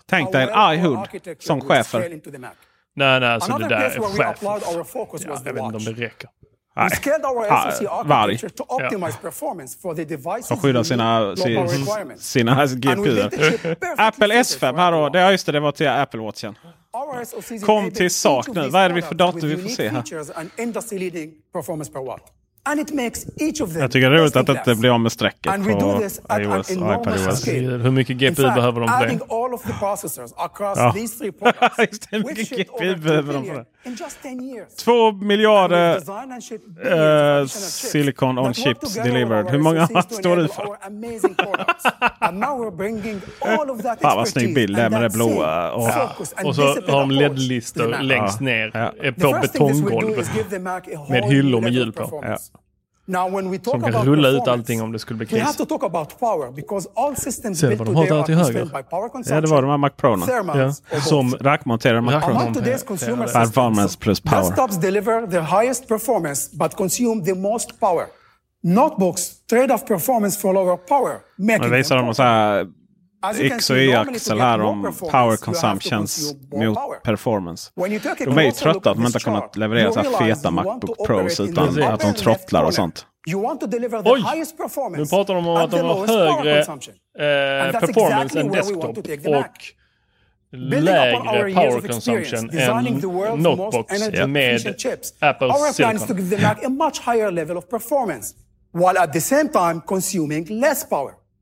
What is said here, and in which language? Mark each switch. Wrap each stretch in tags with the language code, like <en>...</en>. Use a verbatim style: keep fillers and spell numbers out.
<sv>tänk dig en iHood som chefer. Nej, nej, alltså det där är chefer. Ja, jag vet inte om det räcker.</sv> <en>We scaled our S O C architecture to optimize performance for the devices.</en> <sv>Och skydda sina sina G P U. Apple S fem här då. Det just det, det var till Apple Watchen. Kom till sak nu. Vad är det vi för dator vi får se här? Jag tycker det är roligt att det inte blir om med strecket på iOS och iPadOS. Hur mycket G P U behöver de för det? Ja, just det. Hur mycket G P U behöver de för det? Två miljarder</sv> <en>uh, silicon on chips delivered.</en> <sv>Hur många står du för? Fan vad snygg bild där med det blåa. Och, ja. och så har de L E D-listor längst ner ja. på betonggolv med hyllor med hjul på. Ja. Som kan rulla ut allting om det skulle bli kris. Ser du vad de har där till höger? Ja, det var de här Mac Pro-na. Ja. Som rackmonterade Mac Pro-na.</sv> <en>Performance plus power. Desktops deliver the highest performance but consume the most power. Notebooks trade off performance for lower power.</en> <sv>Nu visar de så här X och Y-axel här om power consumptions mot performance. De är ju trötta att man inte har kunnat leverera så här feta MacBook Pros utan att de trottlar och sånt. Oj! Nu pratar de om att de har högre eh, performance än desktop och lägre power consumption än notebooks med Apple Silicon.</sv>